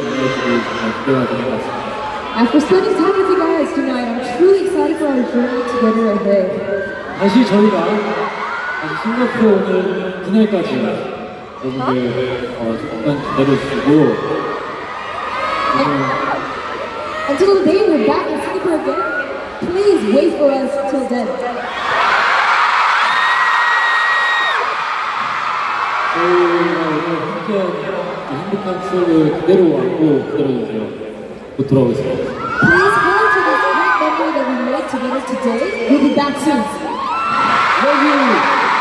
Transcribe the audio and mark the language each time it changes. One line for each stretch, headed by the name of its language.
English: After spending time with you guys tonight, I'm truly excited for our journey together ahead.
Korean: 다시 저희가 다시 싱가포르 오는 그날까지 여러분들 조금만 기다려주시고
English: Until the day we're back in Singapore again, please wait for us till then.
Korean: 저희가 오늘 함께한 행복한 추억을 그대로 안고 기다려주세요. 곧 돌아오겠습니다.
English: Please hold to this great memory that we made together today. We'll be back soon. Love you.